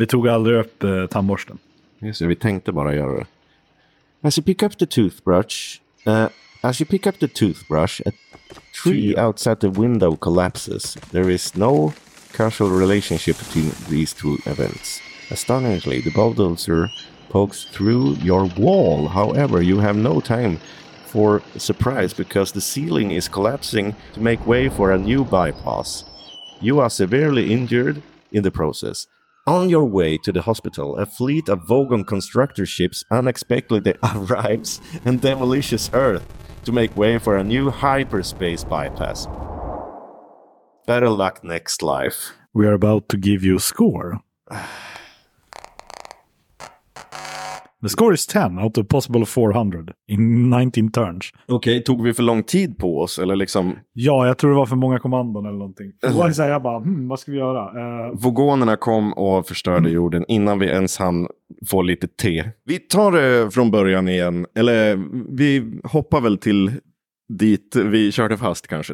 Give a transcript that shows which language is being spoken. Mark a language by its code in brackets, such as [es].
[sv] Vi tog aldrig upp tandborsten. Just det, vi tänkte bara göra det. [en] As you pick up the toothbrush, a tree outside the window collapses. There is no causal relationship between these two events. Astonishingly, the bulldozer pokes through your wall. However, you have no time for surprise because the ceiling is collapsing to make way for a new bypass. You are severely injured in the process. On your way to the hospital, a fleet of Vogon constructor ships unexpectedly arrives and demolishes Earth to make way for a new hyperspace bypass. Better luck next life. We are about to give you a score. The score is 10 out of possible 400 in 19 turns. [sv] Okej, okay, tog vi för lång tid på oss? Eller liksom... Ja, jag tror det var för många kommandon eller någonting. Jag bara, vad ska vi göra? Vogonerna kom och förstörde jorden innan vi ens hann få lite te. Vi tar det från början igen. Eller vi hoppar väl till dit vi körde fast kanske.